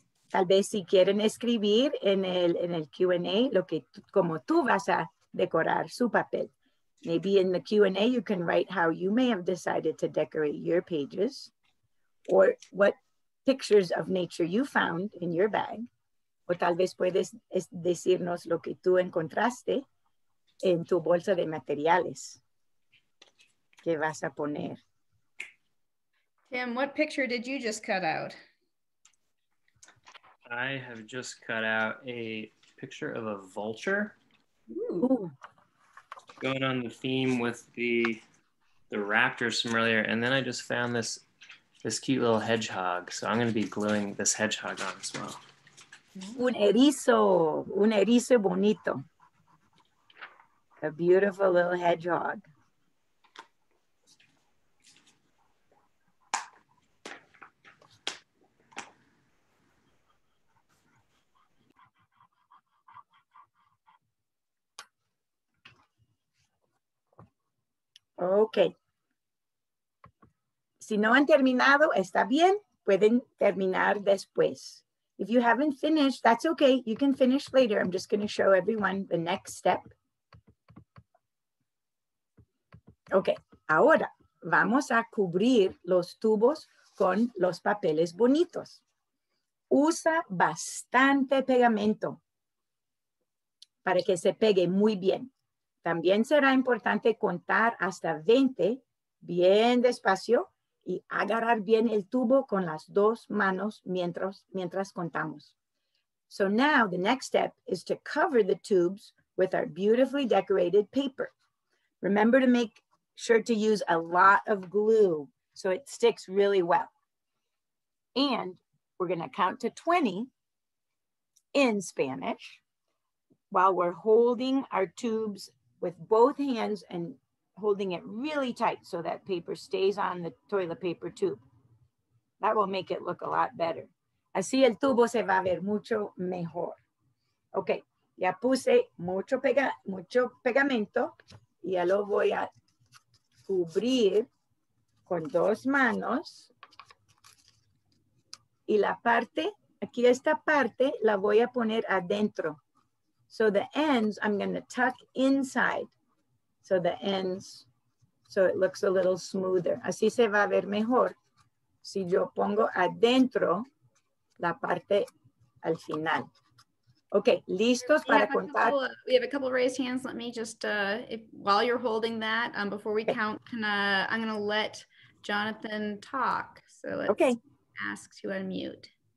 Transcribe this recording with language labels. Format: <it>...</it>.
<es>Tal vez si quieren escribir en el Q&A como tú vas a decorar su papel.</es> <en>Maybe in the Q&A you can write how you may have decided to decorate your pages or what pictures of nature you found in your bag.</en> <es>O tal vez puedes decirnos lo que tú encontraste en tu bolsa de materiales que vas a poner.</es> <en>Tim, what picture did you just cut out? I have just cut out a picture of a vulture. Ooh. Going on the theme with the raptors from earlier. And then I just found this cute little hedgehog. So I'm going to be gluing this hedgehog on as well.</en> <es>Un erizo bonito.</es> <en>A beautiful little hedgehog. Ok.</en> <es>Si no han terminado, está bien. Pueden terminar después.</es> <en>If you haven't finished, that's okay. You can finish later. I'm just going to show everyone the next step. Ok.</en> <es>Ahora, vamos a cubrir los tubos con los papeles bonitos. Usa bastante pegamento para que se pegue muy bien. También será importante contar hasta 20 bien despacio y agarrar bien el tubo con las dos manos mientras contamos.</es> <en>So now the next step is to cover the tubes with our beautifully decorated paper. Remember to make sure to use a lot of glue so it sticks really well. And we're going to count to 20 in Spanish while we're holding our tubes with both hands and holding it really tight so that paper stays on the toilet paper tube. That will make it look a lot better.</en> <es>Así el tubo se va a ver mucho mejor. Okay, ya puse mucho pegamento y ya lo voy a cubrir con dos manos. Y la parte, aquí esta parte la voy a poner adentro.</es> <en>So the ends, I'm going to tuck inside So the ends, so it looks a little smoother.</en> <es>Así se va a ver mejor si yo pongo adentro la parte al final. Okay, listos para contar.</es> <en>We have a couple raised hands. Let me just, while you're holding that, before we count, I'm going to let Jonathan talk. So let's ask to unmute.</en>